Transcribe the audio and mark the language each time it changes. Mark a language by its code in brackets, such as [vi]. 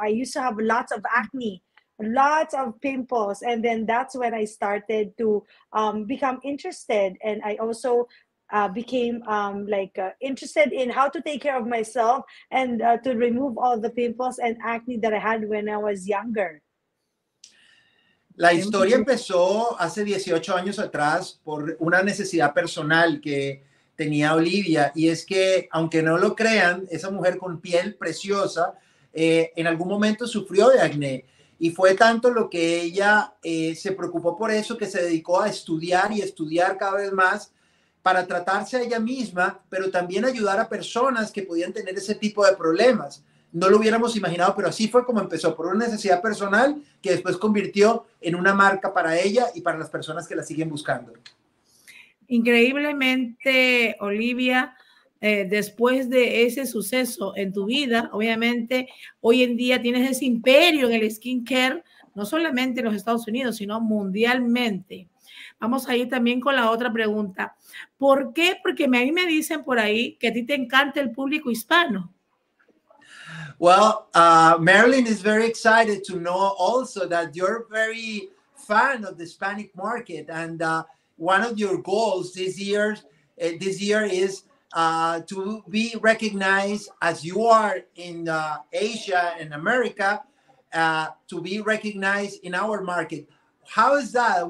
[en] I used to have lots of acne, lots of pimples. And then that's when I started to become interested. And I also became interested in how to take care of myself and to remove all the pimples and acne that I had when I was younger. [es] La historia empezó hace 18 años atrás por una necesidad personal que tenía Olivia. Y es que, aunque no lo crean, esa mujer con piel preciosa en algún momento sufrió de acné. Y fue tanto lo que ella se preocupó por eso que se dedicó a estudiar y estudiar cada vez más para tratarse a ella misma, pero también ayudar a personas que podían tener ese tipo de problemas. No lo hubiéramos imaginado, pero así fue como empezó, por una necesidad personal que después convirtió en una marca para ella y para las personas que la siguen buscando. Increíblemente, Olivia, después de ese suceso en tu vida, obviamente, hoy en día tienes ese imperio en el skincare, no solamente en los Estados Unidos, sino mundialmente. Vamos a ir también con la otra pregunta. ¿Por qué? Porque a mí me dicen por ahí que a ti te encanta el público hispano. [en] Well, Marilyn is very excited to know also that you're very fan of the Hispanic market. And one of your goals this year is to be recognized as you are in Asia and America, to be recognized in our market. How is that?